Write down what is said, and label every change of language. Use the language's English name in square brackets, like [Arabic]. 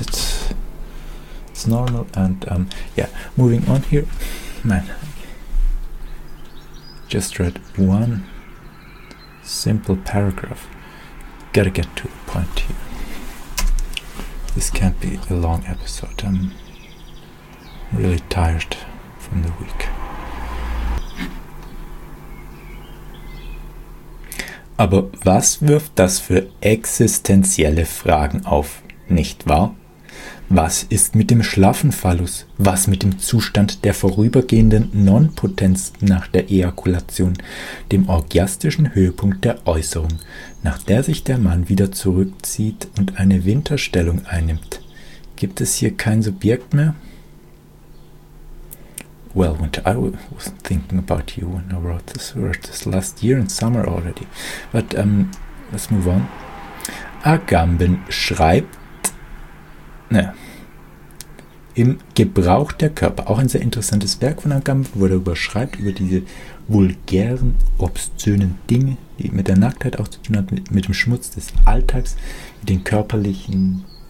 [English] It's normal. And yeah, moving on here, man, just read one simple paragraph, gotta get to the point here, this can't be a long episode, I'm really tired from the week. [German] Aber was wirft das für existenzielle Fragen auf, nicht wahr? Was ist mit dem schlaffen Phallus? Was mit dem Zustand der vorübergehenden Nonpotenz nach der Ejakulation, dem orgiastischen Höhepunkt der Äußerung, nach der sich der Mann wieder zurückzieht und eine Winterstellung einnimmt? Gibt es hier kein Subjekt mehr? [English] Well, Winter, I was thinking about you when I wrote this last year in summer already. But let's move on. [German] Agamben schreibt, ne, im Gebrauch der Körper, auch ein sehr interessantes Werk von Agamben, wo er überschreibt über diese vulgären, obszönen Dinge, die mit der Nacktheit auch zu tun hat, mit dem Schmutz des Alltags, mit den körperlichen